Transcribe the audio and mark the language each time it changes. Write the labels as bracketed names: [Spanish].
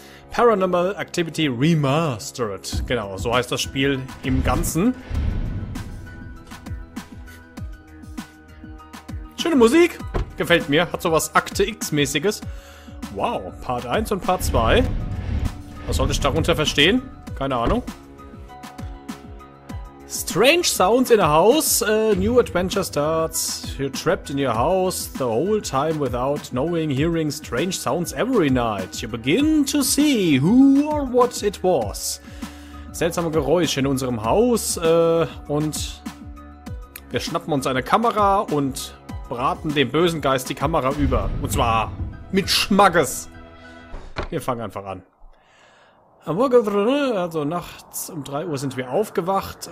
[German] Paranormal Activity Remastered. Genau, so heißt das Spiel im Ganzen. Schöne Musik, gefällt mir, hat sowas Akte X-mäßiges. Wow, Part 1 und Part 2. Was sollte ich darunter verstehen? Keine Ahnung. [English] Strange sounds in a house, new adventure starts, you're trapped in your house the whole time without knowing, hearing strange sounds every night, you begin to see who or what it was. [German] Seltsame Geräusche in unserem Haus, und wir schnappen uns eine Kamera und braten dem bösen Geist die Kamera über, und zwar mit Schmackes. Wir fangen einfach an. Also nachts um 3 Uhr sind wir aufgewacht.